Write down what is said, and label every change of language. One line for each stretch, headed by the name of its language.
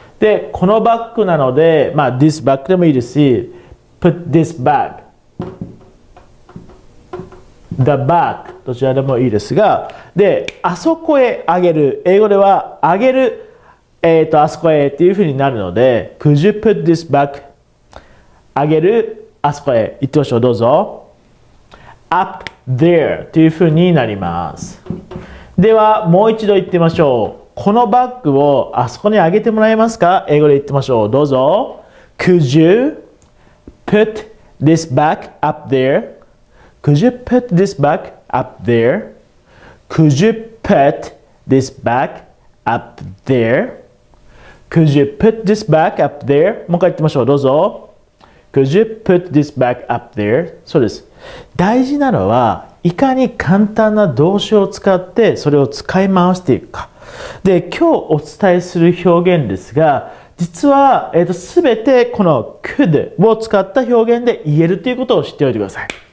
Japanese: で、このバッグなので、まあ
English: this bag
Japanese: でもいいですし、
English: put this bag、 the bag、
Japanese: どちらでもいいですが、で、あそこへあげる、英語ではあげる、あそこへっていうふうになるので、
English: Could you put this back、
Japanese: あげる、あそこへ、言ってみましょう。どうぞ。
English: Up there
Japanese: っていうふうになります。ではもう一度言ってみましょう。このバッグをあそこにあげてもらえますか。英語で言ってみましょう。どうぞ。
English: Could you put this back up there、 Could you put this back up there、 Could you put this back up thereCould you put this back up there?
Japanese: もう一回言ってみましょう。どうぞ。
English: Could you put this back up there?
Japanese: そうです。大事なのは、いかに簡単な動詞を使って、それを使い回していくか。で、今日お伝えする表現ですが、実は、すべてこの could を使った表現で言えるということを知っておいてください。